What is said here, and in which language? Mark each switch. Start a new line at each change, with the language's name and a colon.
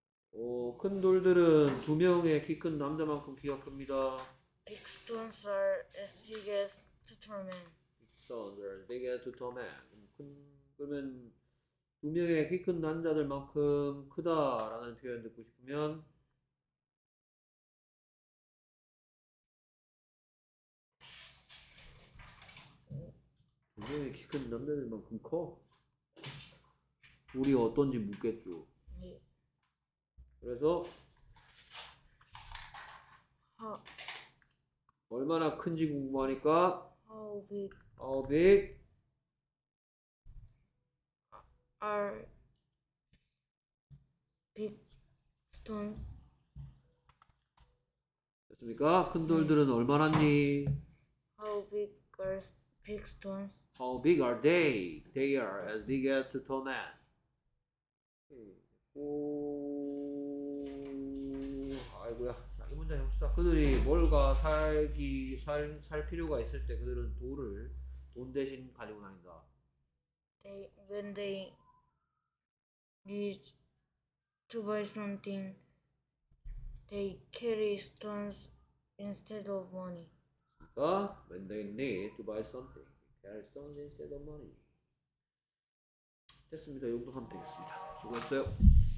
Korean: 계속해서 큰 돌들은 두 명의 키 큰 남자만큼 키가 큽니다.
English: Big stones are as big as two tall men. Big stones are as big as two tall men.
Korean: 그러면 두 명의 키 큰 남자들만큼 크다라는 표현 듣고 싶으면 두 명의 키 큰 남자들만큼 커? 우리 어떤지 묻겠죠. 그래서 얼마나 큰지 궁금하니까
English: How big? How big? Are big stones?
Korean: 됐습니까? 큰 돌들은 얼마나니?
English: How big are big stones? How big are they? They are as big as two tall men.
Korean: 오, 아이고야. 자, 이 문장 해봅시다. 그들이 뭘가 살기 살 필요가 있을 때 그들은 돌을 돈 대신 가지고 다닌다.
English: They when they need to buy something, they carry stones instead of money.
Korean: 그러니까
English: when they need to buy something, they carry stones instead of money.
Korean: 됐습니다. 이 정도 하면 되겠습니다. 수고했어요.